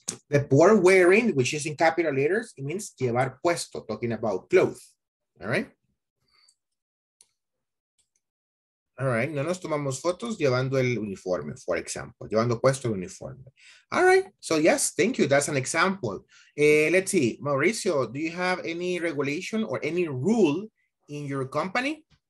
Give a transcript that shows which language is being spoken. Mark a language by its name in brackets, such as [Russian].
[English] The word wearing, which is in capital letters, it means [Spanish] llevar puesto, [English] talking about clothes. All right? [Spanish] All right, no nos tomamos fotos llevando el uniforme, [English] for example, [Spanish] llevando puesto el uniforme. [English] All right, so yes, thank you. That's an example. Let's see, Mauricio, do you have any regulation or any rule in your company?